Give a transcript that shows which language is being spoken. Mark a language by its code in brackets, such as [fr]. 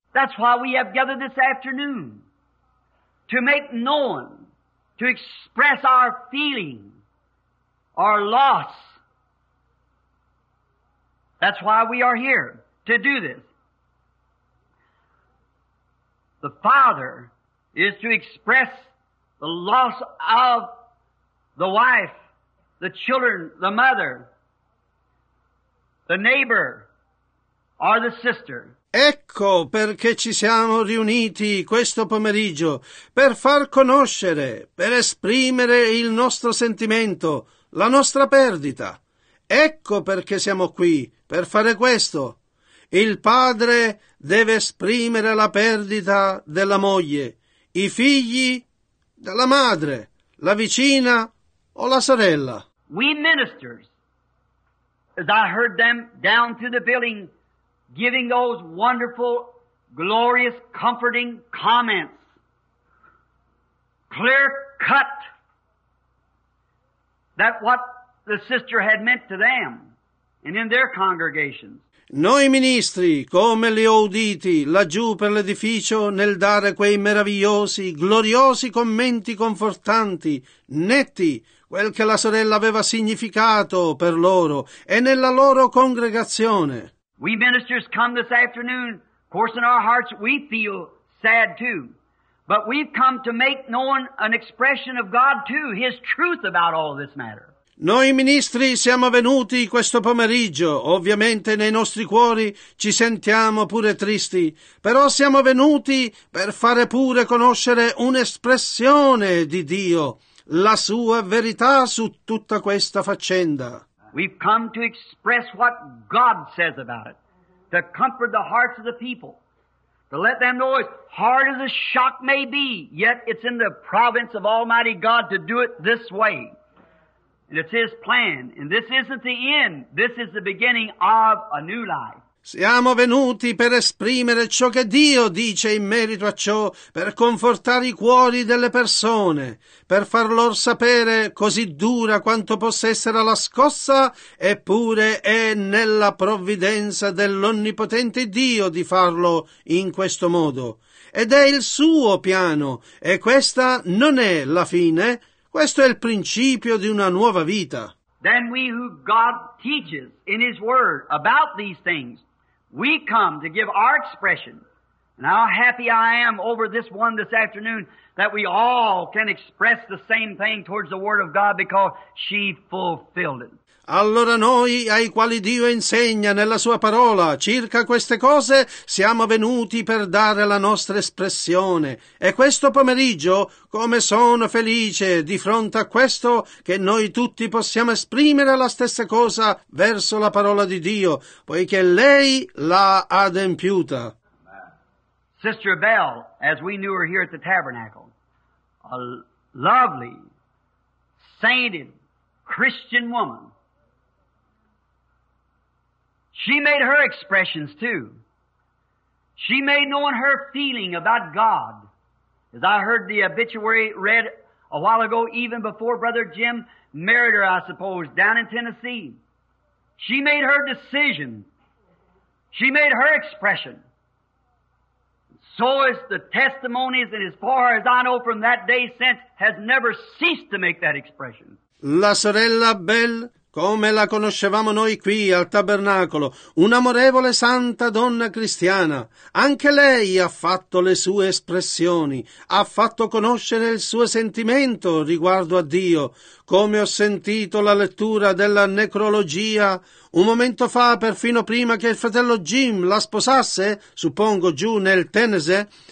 [en] That's why we have gathered this afternoon, to make known, to express our feeling, our loss. That's why we are here, to do this. The father is to express the loss of the wife, the children, the mother, the neighbor, or the sister. [it] Ecco perché ci siamo riuniti questo pomeriggio, per far conoscere, per esprimere il nostro sentimento, la nostra perdita. Ecco perché siamo qui, per fare questo. Il padre deve esprimere la perdita della moglie, i figli della madre, la vicina o la sorella. [en] We ministers, as I heard them down to the building, giving those wonderful, glorious, comforting comments, clear cut, that what the sister had meant to them and in their congregations. [it] Noi ministri, come li ho uditi laggiù per l'edificio nel dare quei meravigliosi, gloriosi commenti confortanti, netti, quel che la sorella aveva significato per loro e nella loro congregazione. [en] We ministers come this afternoon, of course in our hearts we feel sad too, but we've come to make known an expression of God too, His truth about all this matter. [it] Noi ministri siamo venuti questo pomeriggio, ovviamente nei nostri cuori ci sentiamo pure tristi, però siamo venuti per fare pure conoscere un'espressione di Dio, la sua verità su tutta questa faccenda. [en] We've come to express what God says about it, to comfort the hearts of the people, to let them know, as hard as a shock may be, yet it's in the province of Almighty God to do it this way. And it's His plan. And this isn't the end. This is the beginning of a new life. [it] Siamo venuti per esprimere ciò che Dio dice in merito a ciò, per confortare i cuori delle persone, per far loro sapere, così dura quanto possa essere la scossa, eppure è nella provvidenza dell'Onnipotente Dio di farlo in questo modo. Ed è il suo piano, e questa non è la fine, Questo è il principio di una nuova vita. [en] Then we who God teaches in His Word about these things, we come to give our expression. And how happy I am over this one this afternoon that we all can express the same thing towards the Word of God because she fulfilled it. [it] Allora noi, ai quali Dio insegna nella Sua parola circa queste cose, siamo venuti per dare la nostra espressione. E questo pomeriggio, come sono felice di fronte a questo, che noi tutti possiamo esprimere la stessa cosa verso la parola di Dio, poiché lei l'ha adempiuta. [en] Sister Bell, as we knew her here at the tabernacle, a lovely, sainted Christian woman, she made her expressions too. She made known her feeling about God. As I heard the obituary read a while ago, even before Brother Jim married her, I suppose, down in Tennessee. She made her decision. She made her expression. So is the testimonies, and as far as I know from that day since, has never ceased to make that expression. [it] La sorella Bell, come la conoscevamo noi qui al tabernacolo, un'amorevole santa donna cristiana, anche lei ha fatto le sue espressioni, ha fatto conoscere il suo sentimento riguardo a Dio, come ho sentito la lettura della necrologia un momento fa, perfino prima che il fratello Jim la sposasse, suppongo giù nel Tennessee.